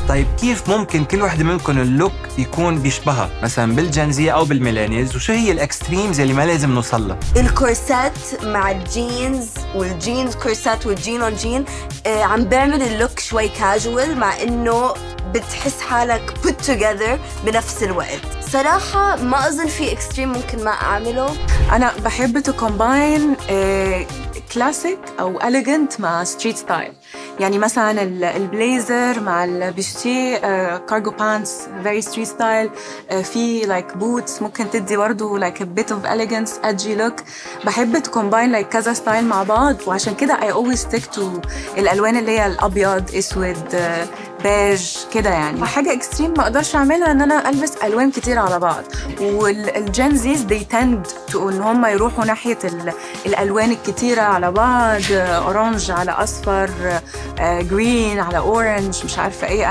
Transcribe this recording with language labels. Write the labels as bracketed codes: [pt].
[ar] طيب كيف ممكن كل واحده منكم اللوك يكون بيشبهها مثلا بالجنزية او بالميلينيز وشو هي الاكستريمز اللي ما لازم نوصل لها؟ الكورسات مع الجينز والجينز كورسات والجين اون جين عم بعمل اللوك شوي كاجوال مع انه بتحس حالك [en] put together [ar] بنفس الوقت. صراحة ما أظن في إكستريم ممكن ما أعمله. أنا بحب [en] to combine [ar] classic أو elegant مع [en] street style. [ar] يعني مثلاً البليزر مع البشتي [en] cargo pants very street style. [ar] في [en] like boots [ar] ممكن تدي برضو [en] like a bit of elegance edgy look. [ar] بحب [en] to combine like [ar] كذا style مع بعض وعشان كده [en] I always stick to [ar] الألوان اللي هي الأبيض أسود بيج كده يعني. فحاجة اكستريم ما اقدرش اعملها ان انا البس الوان كتير على بعض. والجنزيز دي تند ان هم يروحوا ناحية الالوان الكتيرة على بعض، اورانج على اصفر، جرين على اورانج، مش عارفة ايه.